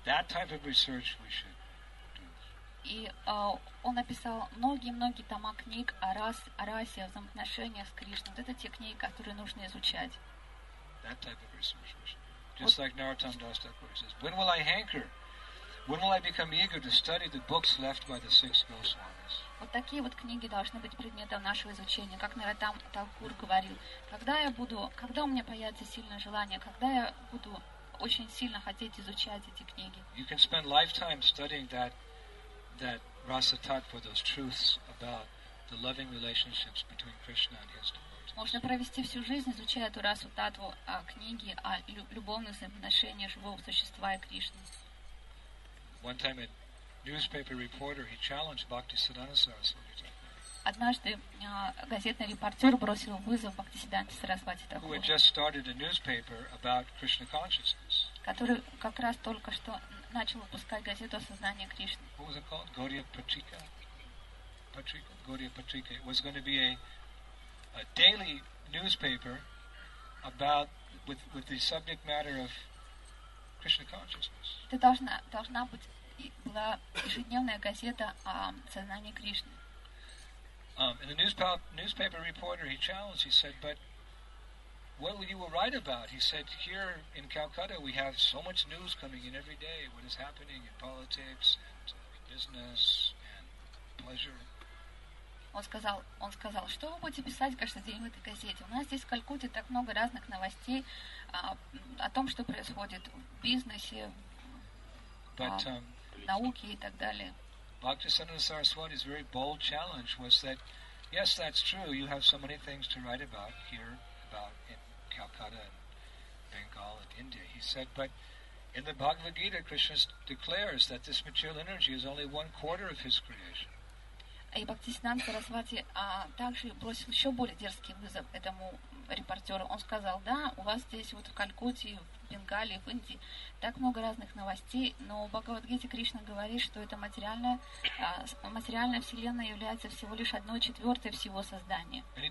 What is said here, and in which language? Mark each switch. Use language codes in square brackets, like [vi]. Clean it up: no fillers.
[en] That type of research we should do. [ru] И он написал многие-многие тома книг о расе, о взаимоотношениях с Кришной. Это те книги, которые нужно изучать. [en] That type of research we should do. Just like Narottam Das Thakur says, when will I hanker? When will I become eager to study the books left by the six Goswamis? [ru] Вот такие вот книги должны быть предметом нашего изучения, как Нарадам Талкур говорил. Когда я буду, когда у меня появится сильное желание, когда я буду очень сильно хотеть изучать эти книги. [en] You can spend lifetime studying that rasa tattva, those truths about the loving relationships between Krishna and his devotees. [ru] Можно провести всю жизнь, изучая эту расу татву, книги о любовных взаимоотношениях живого существа и Кришны. [en] One time a newspaper reporter he challenged Bhaktisiddhanta Saraswati Thakur. [ru] Однажды газетный репортер бросил вызов Бхактисиддханте Сарасвати Такуру. [en] Who had just started a newspaper about Krishna consciousness. [ru] Который как раз только что начал выпускать газету о сознании Кришны. [en] What was it called? Gaudiya Patrika. Gaudiya Patrika. It was going to be a daily newspaper about with the subject matter of Krishna consciousness. [ru] Это должна быть была ежедневная газета о сознании Кришны. [en] And the newspaper reporter he challenged. He said, "But what will you write about?" He said, "Here in Calcutta, we have so much news coming in every day. What is happening in politics and business and pleasure?" [ru] Он сказал, что вы будете писать каждый день в этой газете? У нас здесь в Калькутте так много разных новостей о том, что происходит в бизнесе. Науки и так далее. [en] Bhaktisiddhanta Saraswati's very bold challenge was that, yes, that's true. You have so many things to write about here, about in Calcutta and Bengal and India. He said, but in the Bhagavad Gita, Krishna declares that this material energy is only one quarter of His creation. [ru] И Бхактисиддханта Сарасвати также бросил еще более дерзкий вызов этому репортеру. Он сказал, да, у вас здесь вот в Калькутте, в Бенгалии, в Индии так много разных новостей, но в Бхагавадгите Кришна говорит, что эта материальная вселенная является всего лишь 1/4 всего создания.